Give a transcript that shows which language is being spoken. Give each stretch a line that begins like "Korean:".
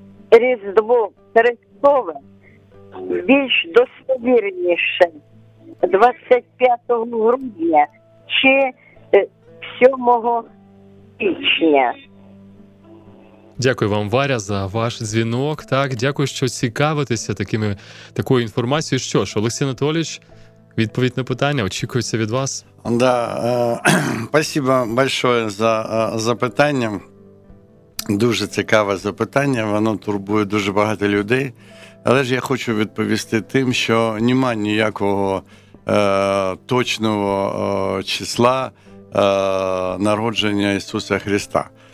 Ukrainian: Різдво Христове більш достовірніше 25 грудня чи 7 січня? Дякую вам, Варя, за ваш дзвінок. Так, дякую, що цікавитеся такою інформацією. Що ж, Олексій Анатолійович, відповідь на питання очікується від вас.
Russian: Да, спасибо большое за запитання.
Ukrainian: Дуже цікаве запитання, воно турбує дуже багато людей. Але ж я хочу відповісти тим, що немає ніякого точного числа народження Ісуса Христа.